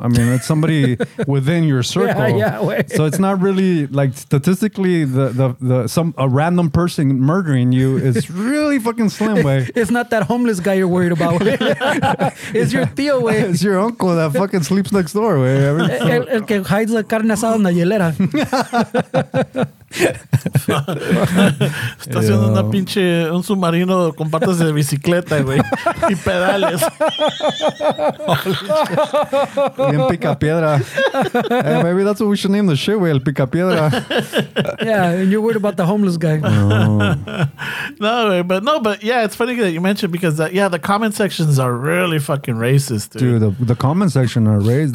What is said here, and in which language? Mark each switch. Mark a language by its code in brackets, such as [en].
[en] I mean, it's somebody within your circle. Yeah, yeah. So it's not really like statistically a random person murdering you is really fucking slim, way. It's not that homeless guy you're worried about. It's your tío, way. It's your uncle that fucking sleeps next door, way. I mean, so. [es] El que hides la carne asada en la hielera. Está haciendo una pinche un submarino con partes de bicicleta, güey, y pedales. Bien picapiedra. [en] Hey, maybe that's what we should name the shit, güey, el picapiedra. Yeah, and you're worried about the homeless guy. No, but yeah, it's funny that you mentioned because the comment sections are really fucking racist, dude. Dude, the comment section are racist.